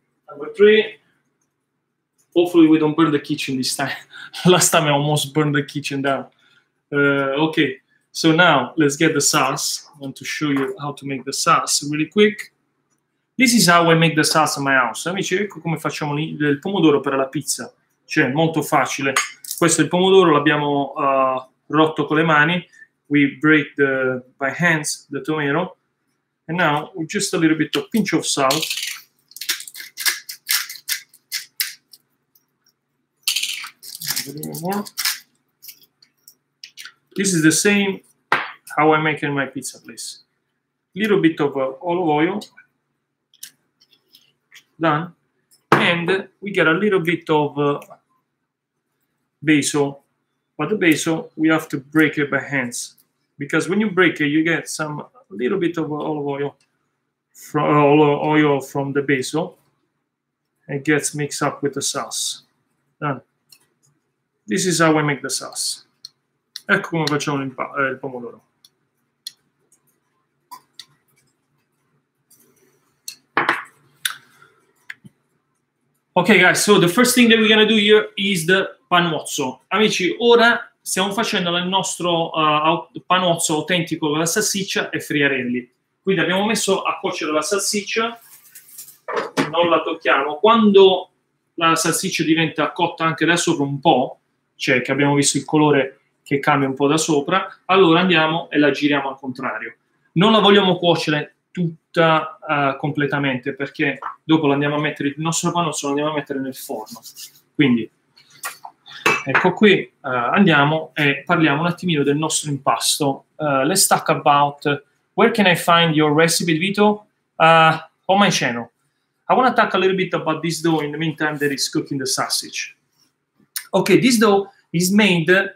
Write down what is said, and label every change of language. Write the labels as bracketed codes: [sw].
[en] Number three. Hopefully we don't burn the kitchen this time. Last time I almost burned the kitchen down. Okay, so now let's get the sauce. I want to show you how to make the sauce really quick. This is how I make the sauce in my house. [it] Amici, ecco come facciamo il pomodoro per la pizza. Cioè, molto facile. Questo è il pomodoro, l'abbiamo rotto con le mani. [en] We break the, by hands the tomato. And now, with just a little bit of pinch of salt. A little more. This is the same how I make in my pizza place. Little bit of olive oil. Done. And we get a little bit of basil. But the basil, we have to break it by hands. Because when you break it, you get some little bit of olive oil from the basil. And it gets mixed up with the sauce. Done. This is how I make the sauce. [it] Ecco come facciamo il pomodoro. [en] Okay guys, so the first thing that we're gonna do here is the panuozzo. [it] Amici, ora stiamo facendo il nostro panuozzo autentico con la salsiccia e friarelli. Quindi abbiamo messo a cuocere la salsiccia, non la tocchiamo. Quando la salsiccia diventa cotta anche da sopra un po', cioè che abbiamo visto il colore che cambia un po' da sopra, allora andiamo e la giriamo al contrario. Non la vogliamo cuocere tutta completamente, perché dopo l'andiamo a mettere, il nostro panuozzo lo andiamo a mettere nel forno. Quindi, ecco qui, andiamo e parliamo un attimino del nostro impasto. [en] Let's talk about, where can I find your recipe, Vito? On my channel. I want to talk a little bit about this dough in the meantime that is cooking the sausage. Okay, this dough is made...